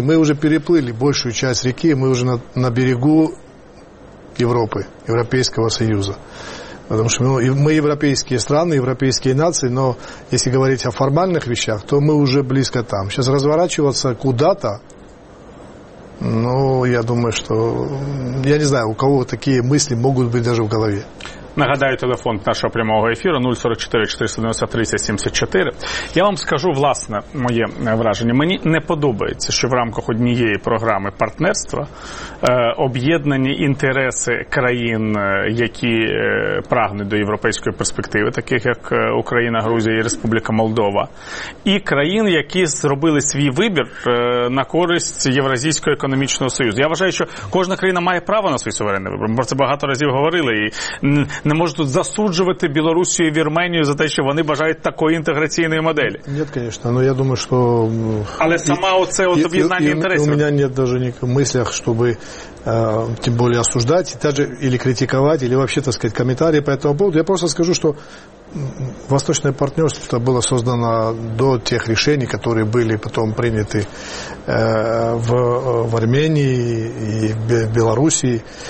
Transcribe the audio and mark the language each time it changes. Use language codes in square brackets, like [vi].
[ru] Мы уже переплыли большую часть реки, мы уже на берегу Европы, Европейского Союза. Потому что мы европейские страны, европейские нации, но если говорить о формальных вещах, то мы уже близко там. Сейчас разворачиваться куда-то, я думаю, что... Я не знаю, у кого такие мысли могут быть даже в голове. [uk] Нагадаю, телефон нашого прямого ефіру 044-493-74. Я вам скажу власне моє враження. Мені не подобається, що в рамках однієї програми партнерства об'єднані інтереси країн, які прагнуть до європейської перспективи, таких як Україна, Грузія і Республіка Молдова, і країн, які зробили свій вибір на користь Євразійського економічного союзу. Я вважаю, що кожна країна має право на свій суверенний вибір. Ми про це багато разів говорили, і не можуть тут засуджувати Білорусію і Вірменію за те, що вони бажають такої інтеграційної моделі. Ні, звісно, але я думаю, що... Але сама оце об'єднання інтересів. У мене немає навіть ніяких мислів, щоб тим більше осуждати, або критикувати, або взагалі, так сказати, коментарі по цьому поводу. Я просто скажу, що [ru] Восточное партнерство было создано до тех решений, которые были потом приняты в Армении и Белоруссии.